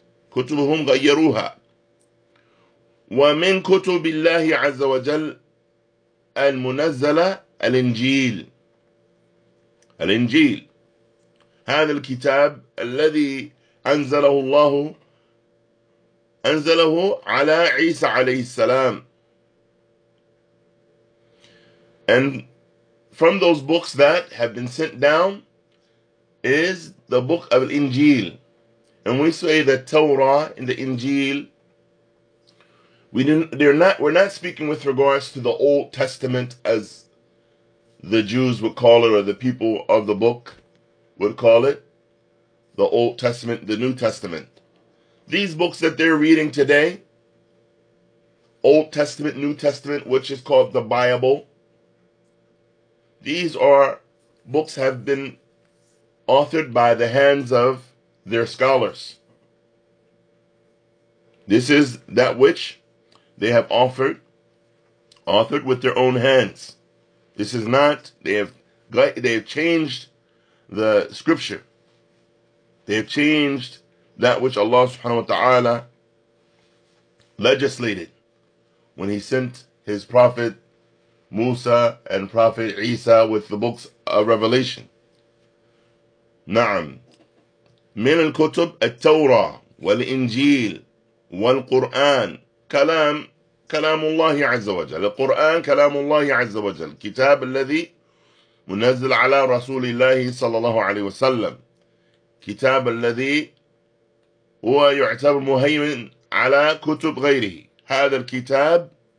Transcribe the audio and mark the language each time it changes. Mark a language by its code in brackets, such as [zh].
[ar] كتبهم غيروها ومن كتب الله عز وجل المنزلة الإنجيل الإنجيل هذا الكتاب الذي أنزله الله أنزله على عيسى عليه السلام [en] and from those books that have been sent down is the book of [ar] الإنجيل. [en] And we say the Torah and the Injil, we're not speaking with regards to the Old Testament as the Jews would call it or the people of the book would call it, the Old Testament, the New Testament. These books that they're reading today, Old Testament, New Testament, which is called the Bible, these are books have been authored by the hands of their scholars. This is that which they have authored with their own hands. This is not, they have changed the scripture. They have changed that which Allah subhanahu wa ta'ala legislated when he sent his prophet Musa and prophet Isa with the books of Revelation. Na'am. [ar] من الكتب التوراة والإنجيل والقرآن كلام الله عز وجل القرآن كلام الله عز وجل كتاب الذي منزل على رسول الله صلى الله عليه وسلم كتاب الذي هو يعتبر مهيمن على كتب غيره هذا الكتاب